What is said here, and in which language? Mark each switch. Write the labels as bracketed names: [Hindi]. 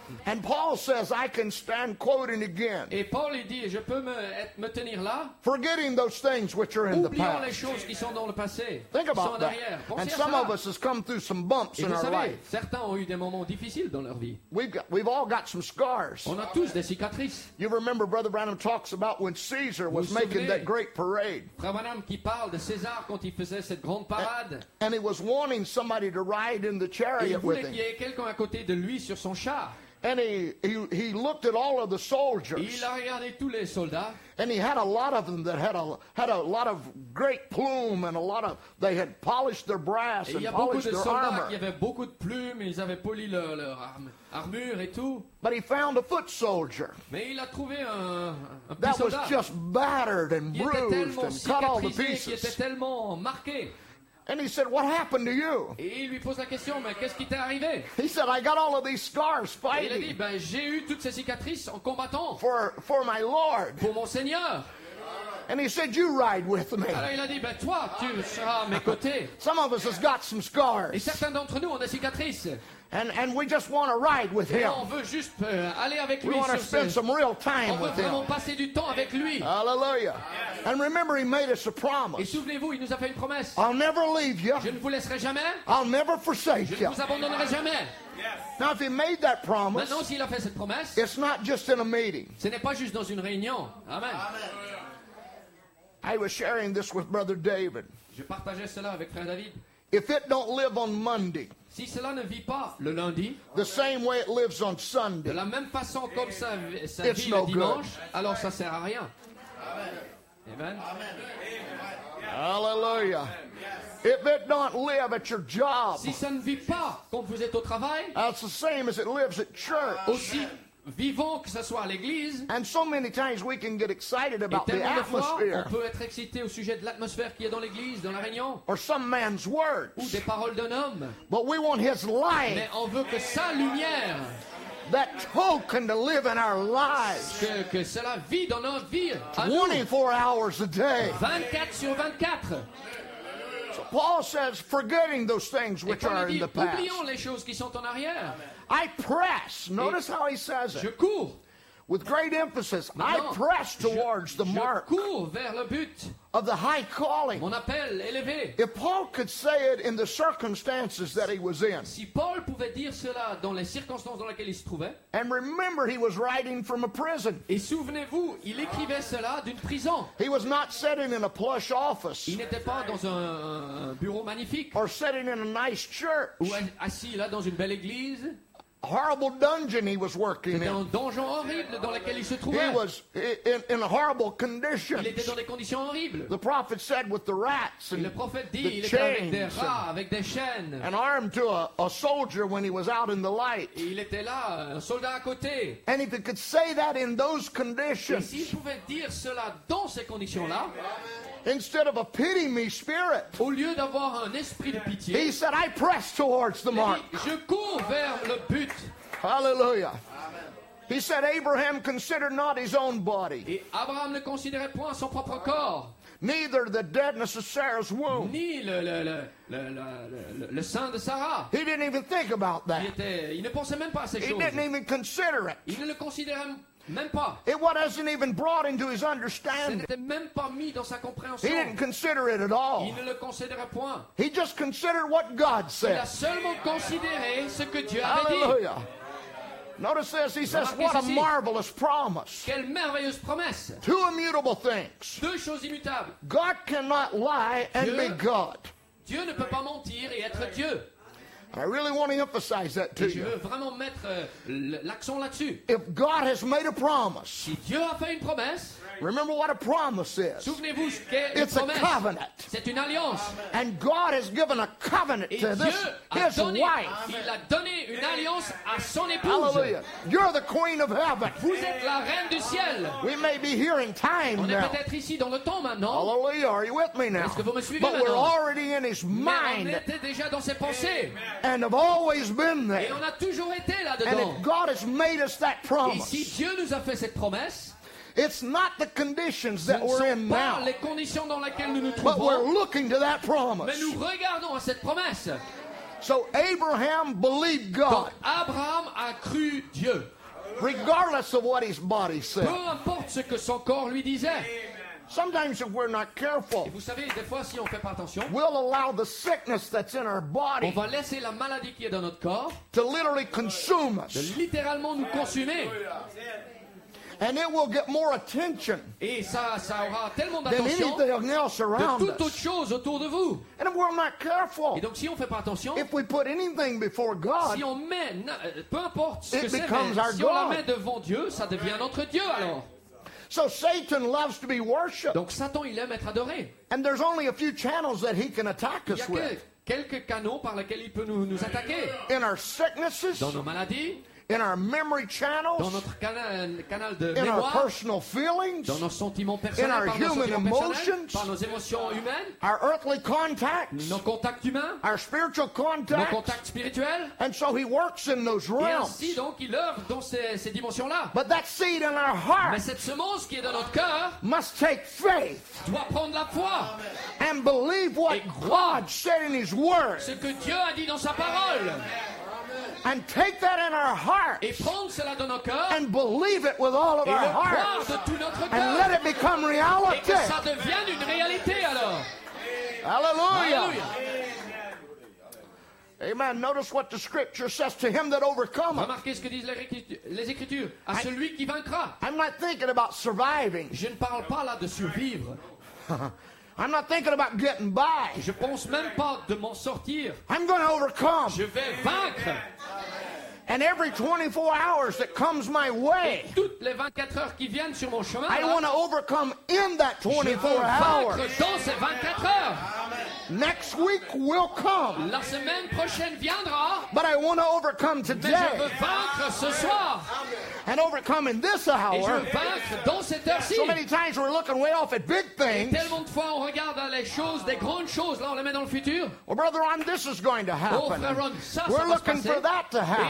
[English] And Paul says, I can stand quoting again. [French] Et Paul il dit, je peux me tenir là. [English] Forgetting those things which are in the past. [French] Oubliant les choses qui sont dans le passé. [English] Think about that. And some [French] ça. [English] Of us has come through some bumps [French] et [English] in our [French] savez, [English] life. [French] Certains ont eu des moments difficiles dans leur vie. [English] We've all got some scars. [French] On a tous des cicatrices. [English] You remember Brother Branham talks about when Caesar was [French] vous [English] making that great parade. [French] Frère Branham qui parle de César quand il faisait cette grande parade. [English] And he was wanting somebody to ride in the chariot with him. [French] Il voulait qu'il y ait quelqu'un à côté de lui sur son char. [English] And he looked at all of the soldiers. [French] Il a regardé tous les soldats. [English] And he had a lot of them that had a lot of great plume and a lot of they had polished their brass and polished their armor. [French] Il y a beaucoup de soldats qui avaient beaucoup de plumes, ils avaient poli leur armure et tout. [English] But he found a foot soldier. [French] Mais il a trouvé un petit soldat. [English] That was just battered and bruised and cut all the pieces. [French] Qui était tellement marqué. [English] And he said, "What happened to you?" [French] Et il lui pose la question, mais qu'est-ce qui t'est arrivé? [English] He said, "I got all of these scars fighting." [French] Et il a dit, ben j'ai eu toutes ces cicatrices en combattant. [English] For my Lord. [French] Pour mon Seigneur. [English] And he said, you ride with me. [French] Alors il a dit, ben toi, tu seras à mes côtés. [English] Some of us has got some scars. [French] Et certains d'entre nous ont des cicatrices. [English] And we just want to ride with him. [French] On veut juste aller avec lui. [English] We want to spend some real time with him. [French] On veut vraiment passer du temps avec lui. [English] Hallelujah. And remember, he made us a promise. [French] Et souvenez-vous, il nous a fait une promesse. [English] I'll never leave you. [French] Je ne vous laisserai jamais. [English] I'll never forsake you. [French] Je ne vous abandonnerai jamais. [English] Now, if he made that promise, [French] maintenant, s'il a fait cette promesse, [English] it's not just in a meeting. [French] Ce n'est pas juste dans une réunion. [English] Amen. I was sharing this with Brother David. [French] Je partageais cela avec Frère David. [English] If it don't live on Monday, [French] si cela ne vit pas le lundi, [English] the same way it lives on Sunday, [French] de la même façon comme ça, ça vit le dimanche, alors ça sert à rien. [English] Amen. Amen. Hallelujah. If it don't live at your job, [French] si ça ne vit pas quand vous êtes au travail, [English] that's the same as it lives at church. [French] Aussi vivant que ce soit à l'église. [English] And so many times we can get excited about the atmosphere. [French] On peut être excité au sujet de l'atmosphère qu'il y a dans l'église, dans la réunion. [English] Or some man's words. [French] Ou des paroles d'un homme. [English] But we want his light. [French] Mais on veut que sa lumière. [English] That token to live in our lives. [French] Que cela vit dans notre vie. [English] 24 hours a day. [French] 24 sur 24. [English] So Paul says, forgetting those things which are in the past. [French] Oublions les choses qui sont en arrière. [English] I press. Notice how he says it. [French] Je cours. [English] With great emphasis, I press towards the mark. [French] Je cours vers le but. [English] Of the high calling. [French] Mon appel élevé. [English] If Paul could say it in the circumstances that he was in. [French] Si Paul pouvait dire cela dans les circonstances dans lesquelles il se trouvait. [English] And remember, he was writing from a prison. [French] Et souvenez-vous, il écrivait cela d'une prison. [English] He was not sitting in a plush office. [French] Il n'était pas dans un bureau magnifique. [English] Or sitting in a nice church. [French] Ou assis là dans une belle église. [English] A horrible dungeon he was working in. [French] C'était un donjon horrible dans lequel il se trouvait. [English] He was in horrible conditions. [French] Il était dans des conditions horribles. [English] The prophet said with the rats and [French] le prophète dit, il était avec des rats, avec des chaînes. [English] And armed to a soldier when he was out in the light. [French] Et il était là, un soldat à côté. [English] And if he could say that in those conditions. [French] Et s'il pouvait dire cela dans ces conditions-là. [English] Instead of a pity me spirit, [French] au lieu d'avoir un esprit de pitié, [English] he said, I press towards the mark. [French] Je cours vers le but. [English] Hallelujah. Amen. He said, Abraham considered not his own body. [French] Et Abraham ne considérait point son propre corps. [English] Neither the deadness of Sarah's womb. [French] Ni le sein de Sarah. [English] He didn't even think about that. [French] Il ne pensait même pas à ces choses. [English] He didn't even consider it. [French] Il ne le considérait même pas. Même pas. [English] It wasn't even brought into his understanding. [French] Ce n'était même pas mis dans sa compréhension. [English] He didn't consider it at all. [French] Il ne le considérait point. [English] He just considered what God said. [French] Il a seulement considéré ce que Dieu avait [English] Hallelujah. [French] Dit. [English] Hallelujah. Notice this, he says, what a marvelous promise. [French] Quelle merveilleuse promesse. [English] Two immutable things. [French] Deux choses immutables. [English] God cannot lie and be God. [French] Dieu ne peut pas mentir et être Dieu. [English] I really want to emphasize that to [French] Et je [English] you. [French] Veux vraiment mettre l'accent là-dessus. [English] If God has made a promise, [French] si Dieu a fait une promesse, [English] remember what a promise is. [French] Souvenez-vous ce qu'est [English] It's [French] une promesse. [English] A covenant. [French] C'est une alliance. [English] Amen. And God has given a covenant [French] Et [English] to [French] Dieu [English] this, [French] a [English] his [French] donné, [English] wife. [French] Il a donné une alliance à son épouse. [English] Hallelujah. You're the queen of heaven. [French] Vous êtes la reine du ciel. [English] We may be here in time [French] On [English] now. [French] Est peut-être ici dans le temps maintenant. [English] Hallelujah. Are you with me now? [French] Est-ce que vous me suivez [English] But [French] maintenant? [English] We're already in his mind. [French] Mais on était déjà dans ses pensées. [English] Amen. And have always been there. [French] Et on a toujours été là-dedans. [English] And if God has made us that promise, [French] Et si Dieu nous a fait cette promesse, [English] it's not the conditions that we're in now. [French] Les conditions dans lesquelles nous nous trouvons, [English] but we're looking to that promise. [French] Mais nous regardons à cette promesse. [English] So Abraham believed God. [French] Donc Abraham a cru Dieu. [English] Regardless of what his body said. [French] Peu importe ce que son corps lui disait. [English] Sometimes if we're not careful, [French] vous savez, des fois, si on fait pas attention, [English] we'll allow the sickness that's in our body [French] on va laisser la maladie qui est dans notre corps [English] to literally consume us. [French] De littéralement nous consumer. [English] And it will get more attention [French] Et ça aura tellement d'attention [English] than anything else around [French] de toute autre chose autour de vous. [English] And if we're not careful, [French] Et donc, si on fait pas attention, [English] if we put anything before God, [French] si on met, peu importe ce [English] it [French] que [English] becomes [French] c'est, [English] our [French] si [English] God. [French] On la met devant Dieu, ça devient notre Dieu alors. [English] So Satan loves to be worshipped. [French] Donc Satan il aime être adoré. [English] And there's only a few channels that he can attack us with. [French] Quelques canaux par lesquels il peut nous attaquer. [English] In our sicknesses. [French] Dans nos maladies. [English] In our memory channels, [French] dans notre canal de [English] in [French] mémoire, [English] our personal feelings, [French] dans nos sentiments personnels, [English] in our [French] par [English] human [French] nos [English] emotions, [French] par nos émotions humaines, [English] our earthly contacts, [French] nos contacts humains, [English] our spiritual contacts, [French] nos contacts spirituels. [English] And so he works in those realms. [French] Et ainsi, donc, il œuvre dans ces dimensions-là. [English] But that seed in our heart, [French] mais cette semence qui est dans notre cœur, [English] must take faith, [French] doit prendre la foi, [English] and believe what God said in his word, [French] ce que Dieu a dit dans sa parole. [English] And take that in our hearts. [French] Et prendre cela dans nos cœurs. [English] And believe it with all of [French] et [English] our hearts. [French] Croire de tout notre cœur. [English] And let it become reality. [French] Et que ça devienne une réalité alors. [English] Hallelujah. Amen. Notice what the scripture says to him that overcometh. [French] Remarquez ce que disent les écritures à celui qui vaincra. [English] I'm not thinking about surviving. [French] Je ne parle pas là de survivre. [English] I'm not thinking about getting by. [French] Je pense même pas de m'en sortir. [English] I'm going to overcome. [French] Je vais vaincre. [English] And every 24 hours that comes my way, [French] et toutes les 24 heures qui viennent sur mon chemin, [English] I want to overcome in that 24 hours. [French] Je veux vaincre dans ces 24 heures. [English] Next week will come. [French] La semaine prochaine viendra. [English] But I want to overcome today. [French] Mais je veux vaincre ce soir. [English] And overcome in this hour. [French] Et je vaincre dans cette heure-ci. [English] So many times we're looking way off at big things. [French] Et tellement de fois on regarde les choses, des grandes choses, là on les met dans le futur. [English] Well, brother Ron, this is going to happen. [French] Oh, frère Ron, ça [English] we're [French] ça [English] looking for that to happen.